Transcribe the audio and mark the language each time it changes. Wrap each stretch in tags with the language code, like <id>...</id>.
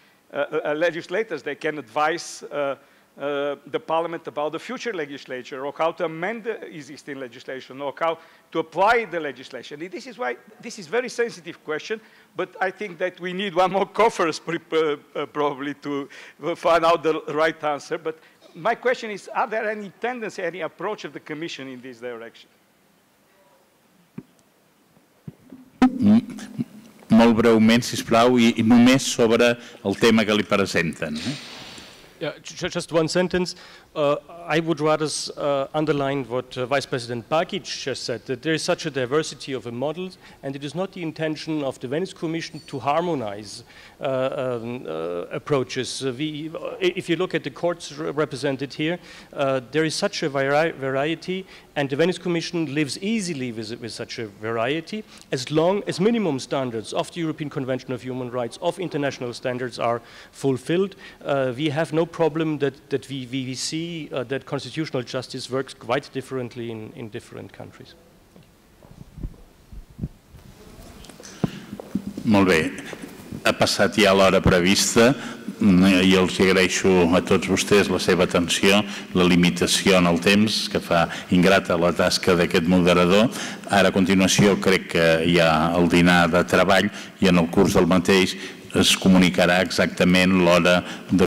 <en>Legislators, they can advise the parliament about the future legislature or how to amend the existing legislation or how to apply the legislation. This is why this is a very sensitive question, but I think that we need one more conference probably to find out the right answer. But my question is, are there any tendency, any approach of the Commission in this direction?</en> <ca>Molt breument, sisplau, i només sobre el tema que li presenten.</ca> <en>Yeah, just one sentence. I would rather underline what Vice President Bagic just said, that there is such a diversity of models, and it is not the intention of the Venice Commission to harmonize approaches. If you look at the courts represented here, there is such a variety, and the Venice Commission lives easily with such a variety, as long as minimum standards of the European Convention of Human Rights, of international standards are fulfilled. We have no problem that we see that constitutional justice works quite differently in different countries.</en> <ca>Molt bé. Ha passat ja l'hora prevista i els agraeixo a tots vostès la seva atenció, la limitació en el temps que fa ingrata la tasca d'aquest moderador. Ara, a continuació, crec que hi ha el dinar de treball i en el curs del mateix es comunicarà exactament l'hora de</ca>